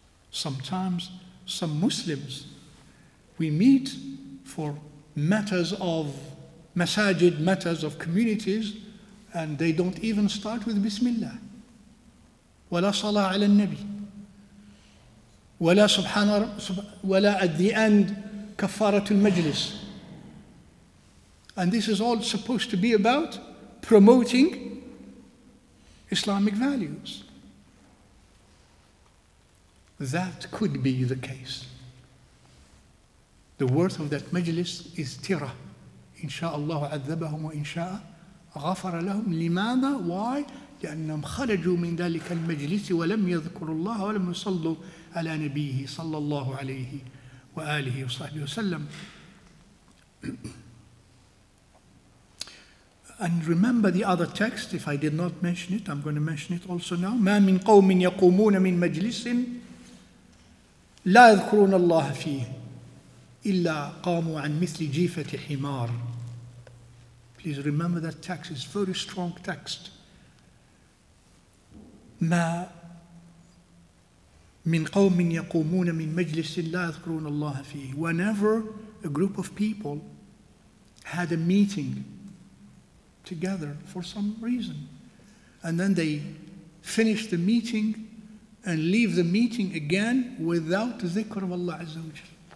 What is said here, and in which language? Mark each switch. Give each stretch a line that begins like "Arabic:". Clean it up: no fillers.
English: Sometimes some Muslims we meet for matters of masajid, matters of communities, and they don't even start with bismillah.
Arabic: Wala salah ala nabi. وَلَا سُبْحَانَ وَلَا
English: at the end
Arabic: كَفَّارَةُ الْمَجْلِسِ.
English: And this is all supposed to be about promoting Islamic values. That could be the case. The worth of that majlis is tira.
Arabic: إِنْ شَاءَ اللَّهُ عَذَّبَهُمْ وَإِنْ شَاءَ غَفَرَ لَهُمْ. لِمَاذَا?
English: Why?
Arabic: لأنهم خرجوا من ذلك المجلس ولم يذكروا الله ولم يصلوا على نبيه صلى الله عليه وآله وصحبه وسلم.
English: And remember the other text, if I did not mention it, I'm going to mention it also now.
Arabic: ما من قوم يقومون من مجلس لا يذكرون الله فيه إلا قاموا عن مثل جيفة حمار.
English: Please remember that text, it's a very strong text.
Arabic: ما من قوم يقومون من مجلس لا يذكرون الله فيه.
English: Whenever a group of people had a meeting together for some reason, and then they finish the meeting and leave the meeting again without the dhikr of Allah Azza wa Jal.